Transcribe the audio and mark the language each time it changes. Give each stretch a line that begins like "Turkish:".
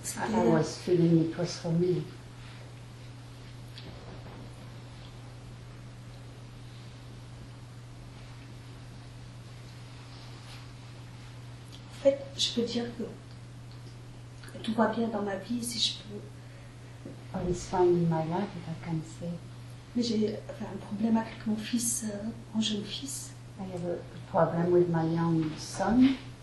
English: I was feeling it was for me.
French: En fait, je peux dire que tout va bien dans ma vie si je peux.
English: Oh, it's fine in my life if I can say.
French: Mais j'ai un problème avec mon fils, mon jeune fils.
English: I have a problem with my young son.